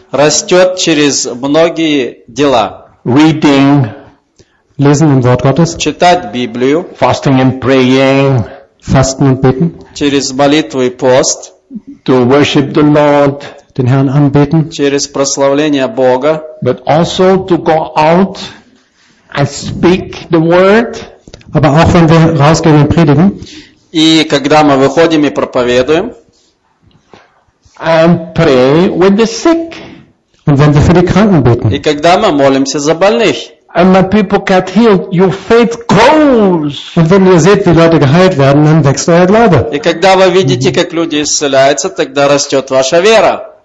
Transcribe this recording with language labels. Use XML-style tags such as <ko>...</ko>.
<ru>растет через многие дела,</ru> <en>reading,</en> <de>lesen im Wort Gottes,</de> <ru>читать Библию,</ru> <en>fasting and praying,</en> <de>fasten und beten,</de> <ru>через молитву и пост,</ru> <en>to worship the Lord,</en> <de>den Herrn anbeten,</de> <ru>через прославление Бога,</ru> <en>but also to go out and speak the word.</en> <de>Aber auch wenn wir rausgehen und predigen.</de> <ru>И когда мы выходим и проповедуем.</ru> <en>And pray with the sick.</en> <de>Und wenn wir für die Kranken beten.</de> <ru>И когда мы молимся за больных.</ru> <en>And my people get healed, your faith grows.</en> <de>Und wenn ihr seht, wie Leute geheilt werden, dann wächst euer Glaube.</de> <ru>И когда вы видите, как люди исцеляются, тогда растет ваша вера.</ru>